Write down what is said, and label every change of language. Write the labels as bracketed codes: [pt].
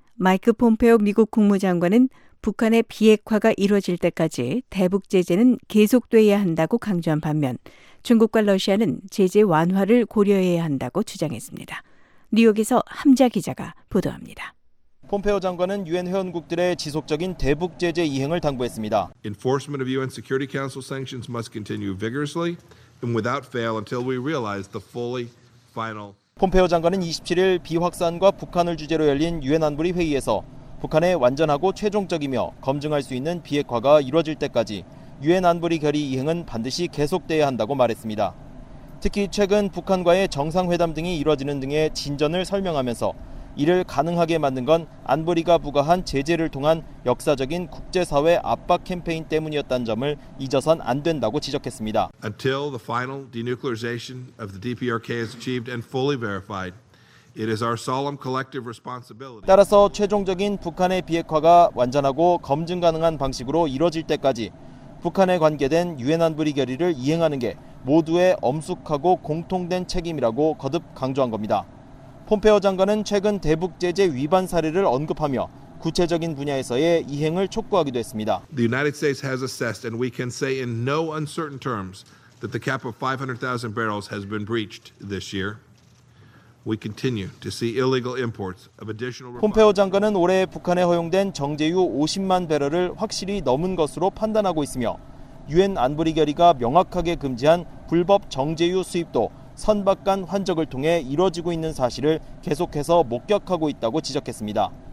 [ko] 마이크 폼페오 미국 국무장관은 북한의 비핵화가 이루어질 때까지 대북 제재는 계속돼야 한다고 강조한 반면 중국과 러시아는 제재 완화를 고려해야 한다고 주장했습니다. 뉴욕에서 함자 기자가 보도합니다. 폼페오 장관은 유엔 회원국들의 지속적인 대북 제재 이행을 당부했습니다. [en] Enforcement of UN Security Council sanctions must continue vigorously and without fail until we realize the fully final. [ko] 폼페오 장관은 27일 비확산과 북한을 주제로 열린 유엔 안보리 회의에서 북한의 완전하고 최종적이며 검증할 수 있는 비핵화가 이루어질 때까지 유엔 안보리 결의 이행은 반드시 계속돼야 한다고 말했습니다. 특히 최근 북한과의 정상회담 등이 이루어지는 등의 진전을 설명하면서 이를 가능하게 만든 건 안보리가 부과한 제재를 통한 역사적인 국제사회 압박 캠페인 때문이었다는 점을 잊어선 안 된다고 지적했습니다. [en] Until the final denuclearization of the DPRK is achieved and fully verified, it is our solemn collective responsibility. [ko] 따라서 최종적인 북한의 비핵화가 완전하고 검증 가능한 방식으로 이루어질 때까지 북한에 관계된 유엔 안보리 결의를 이행하는 게 모두의 엄숙하고 공통된 책임이라고 거듭 강조한 겁니다. 폼페오 장관은 최근 대북 제재 위반 사례를 언급하며 구체적인 분야에서의 이행을 촉구하기도 했습니다. [en] The United States has assessed and we can say in no uncertain terms that the cap of 500,000 barrels has been breached this year. We continue to see illegal imports of additional [ko] 폼페오 장관은 올해 북한에 허용된 정제유 50만 배럴을 확실히 넘은 것으로 판단하고 있으며 유엔 안보리 결의가 명확하게 금지한 불법 정제유 수입도 선박 간 환적을 통해 이루어지고 있는 사실을 계속해서 목격하고 있다고 지적했습니다.